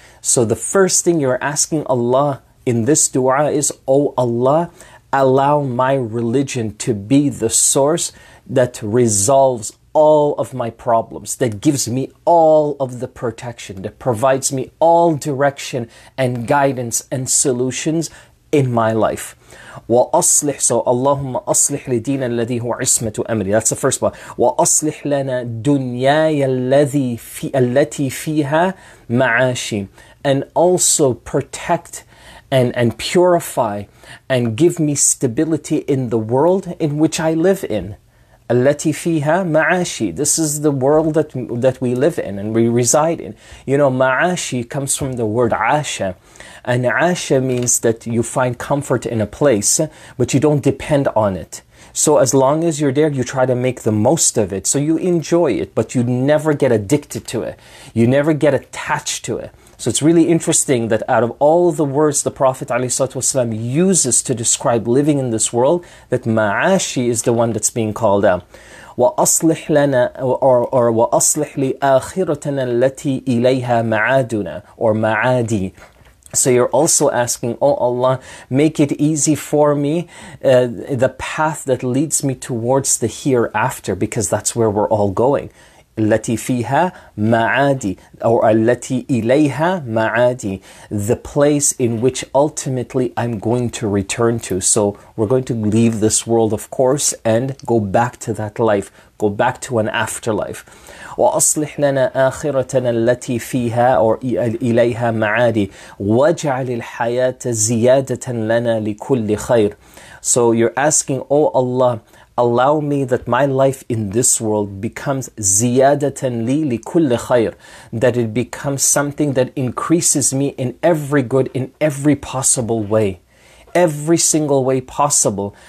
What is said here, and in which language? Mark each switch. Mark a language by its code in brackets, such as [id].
[en] So the first thing you're asking Allah in this dua is, O Allah, allow my religion to be the source that resolves all of my problems, that gives me all of the protection, that provides me all direction and guidance and solutions in my life. [ar] وأصلح, so اللهم أصلح لدينا الذي هو عصمة أمري. [en] That's the first part. [ar] وأصلح لنا دنياي التي فيها معاشي. [en] And also protect and purify and give me stability in the world in which I live in. [ar] التي فيها معاشي. [en] This is the world that we live in and we reside in. You know, معاشي comes from the word عاشا. And عاشا means that you find comfort in a place, but you don't depend on it. So as long as you're there, you try to make the most of it. So you enjoy it, but you never get addicted to it. You never get attached to it. So it's really interesting that out of all the words the Prophet ﷺ uses to describe living in this world, that ma'ashi is the one that's being called out. [ar] وَأَصْلِحْ لَنَا or وَأَصْلِحْ لِآخِرَتَنَا الَّتِي إِلَيْهَا مَعَادُنَا or ma'adi. [en] So you're also asking, O Allah, make it easy for me, the path that leads me towards the hereafter, because that's where we're all going. [ar] التي فيها معادي أو التي إليها معادي. [en] The place in which ultimately I'm going to return to. So we're going to leave this world, of course, and go back to that life. Go back to an afterlife. [ar] وأصلح لنا آخرتنا التي فيها أو إليها معادي. واجعل الحياة زيادة لنا لكل خير. [en] So you're asking, oh Allah, allow me that my life in this world becomes [ar] ziyadatan li likulli khayr, [en] that it becomes something that increases me in every good, in every possible way, every single way possible.